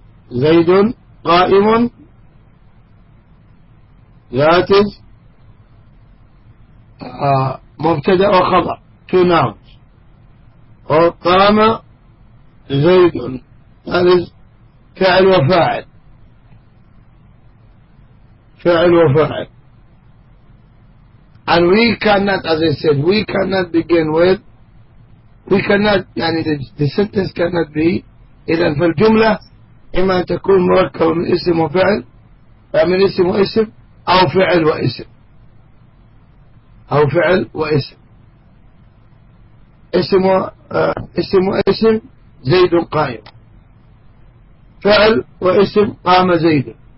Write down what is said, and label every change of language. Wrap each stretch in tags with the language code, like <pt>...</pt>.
<ar>زيد قائم</ar> <en>that is</en> <ar>مبتدا وخبر</ar> <en>two nouns، or</en> <ar>قام زيد هذا فعل وفاعل، فعل وفاعل.</ar> <en>And we cannot, as I said, we cannot begin with, we cannot,</en> <ar>يعني</ar> <en>the sentence cannot be.</en> <ar>إذن في الجملة إما تكون مركبة من اسم وفعل، من اسم واسم، أو فعل واسم، أو فعل واسم، اسم اسم واسم زيد قائم، فعل واسم قام زيد.</ar>